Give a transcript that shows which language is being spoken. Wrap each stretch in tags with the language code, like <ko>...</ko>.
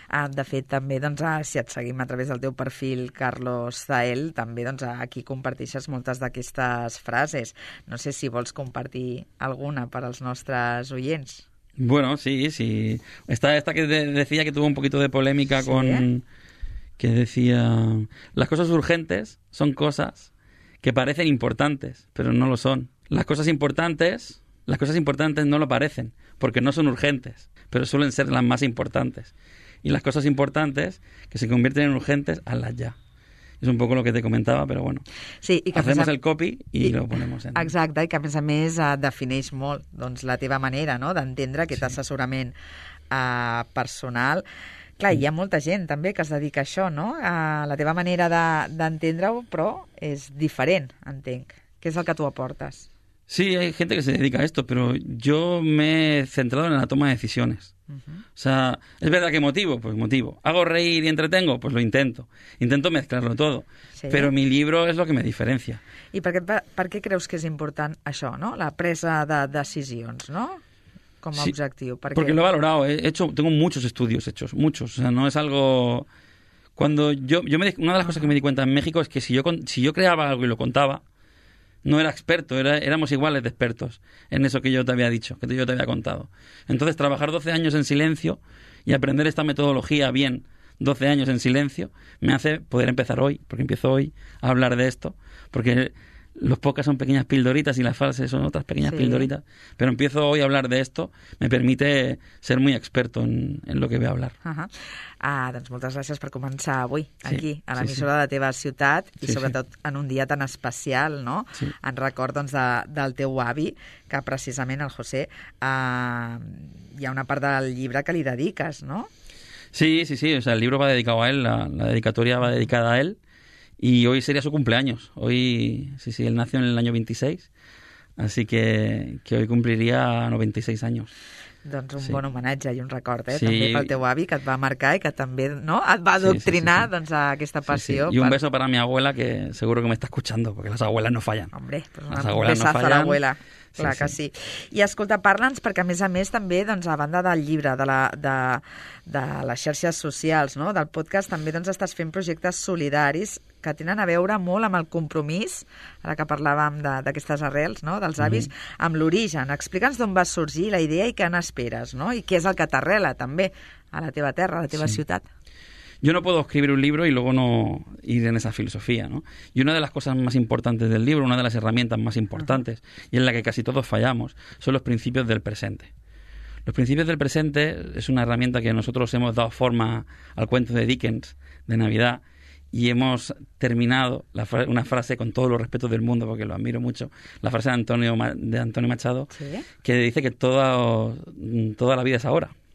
<ca>De fet, també, doncs, si et seguim a través del teu perfil, Carlos Zael, també doncs, aquí comparteixes moltes d'aquestes frases. No sé si vols compartir alguna per als nostres oients.</ca> <es>Bueno, sí, sí. Esta que decía que tuvo un poquito de polémica sí, con... Que decía... Las cosas urgentes son cosas que parecen importantes, pero no lo son. Las cosas importantes no lo parecen, porque no son urgentes, pero suelen ser las más importantes. Y las cosas importantes que se convierten en urgentes, hazlas ya.</es> <ca>És un poc el que te comentava, però bueno. Sí, i que</ca> <es>hacemos el copy</es> <ca>i</ca> <es>lo ponemos en...</es> <ca>Exacte, i que a més defineix molt doncs, la teva manera no? d'entendre aquest assessorament personal. Clar, hi ha molta gent també que es dedica a això, no? La teva manera d'entendre-ho, però és diferent, entenc. Què és el que tu aportes?</ca> <es>Sí, hay gente que se dedica a esto, pero yo me he centrado en la toma de decisiones. O sea, ¿es verdad que motivo? Pues motivo. ¿Hago reír y entretengo? Pues lo intento. Intento mezclarlo todo. Sí. Pero mi libro es lo que me diferencia.</es> <ca>¿Y per què creus que és important això, no? La presa de decisions, no? Com a objectiu.</ca> <es>Sí, perquè lo he valorado. Tengo muchos estudios hechos, muchos. O sea, no es algo... Cuando una de las cosas que me di cuenta en México es que si yo creaba algo y lo contaba, no era experto, éramos iguales de expertos en eso que yo te había dicho, que yo te había contado. Entonces, trabajar 12 años en silencio y aprender esta metodología bien 12 años en silencio me hace poder empezar hoy, porque empiezo hoy a hablar de esto, porque los podcasts son pequeñas pildoritas y las frases son otras pequeñas pildoritas, pero empiezo hoy a hablar de esto, me permite ser muy experto en lo que voy a hablar.</es> <ca>Doncs moltes gràcies per començar avui, aquí, a l'emissora de la teva ciutat, i sobretot en un dia tan especial, no? Sí. En record, doncs, del teu avi, que precisament el José, hi ha una part del llibre que li dediques, no?</ca> <es>Sí, o sea, el libro va dedicado a él, la dedicatoria va dedicada a él, y hoy sería su cumpleaños, hoy, sí, él nació en el año 26, Así que hoy</es> <ca>compliria 96 anys. Doncs un bon homenatge i un record, sí, també pel teu avi, que et va marcar i que també, no?, et va adoctrinar, sí. Doncs, a aquesta passió.</ca> <es>Sí, sí. Y un beso para mi abuela, que seguro que me está escuchando, porque las abuelas no fallan. Hombre, pues una besaza a l'abuela.</es> <ca>Clar, sí, que sí. I escolta, parla'ns, perquè a més també, doncs, a banda del llibre, de les xarxes socials, no?, del podcast, també doncs, estàs fent projectes solidaris que tenen a veure molt amb el compromís, ara que parlàvem d'aquestes arrels, no?, dels avis, amb l'origen. Explica'ns d'on va sorgir la idea i què n'esperes, no?, i què és el que t'arrela també a la teva terra, a la teva ciutat.</ca> <es>Yo no puedo escribir un libro y luego no ir en esa filosofía, ¿no? Y una de las cosas más importantes del libro, una de las herramientas más importantes y en la que casi todos fallamos, son los principios del presente. Los principios del presente es una herramienta que nosotros hemos dado forma al cuento de Dickens de Navidad y hemos terminado una frase, con todo el respeto del mundo porque lo admiro mucho, la frase de Antonio Machado, ¿sí?, que dice que toda la vida es ahora.</es>